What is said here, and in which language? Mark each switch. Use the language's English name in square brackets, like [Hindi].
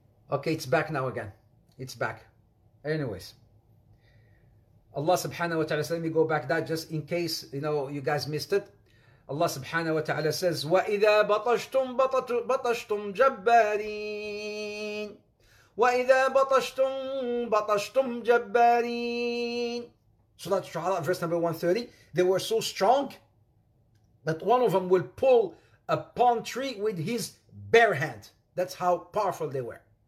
[English] Okay, it's back now again. It's back. Anyways. Allah subhanahu wa ta'ala, let me go back that just in case you guys missed it. [Arabic] Allah subhanahu wa ta'ala [English] says, [Arabic] وَإِذَا بَطَشْتُمْ بَطَشْتُمْ جَبَّارِينَ وَإِذَا بَطَشْتُمْ بَطَشْتُمْ جَبَّارِينَ. [English] So that's Shu'ara, verse number 130. They were so strong that one of them will pull a palm tree with his bare hand. That's how powerful they were.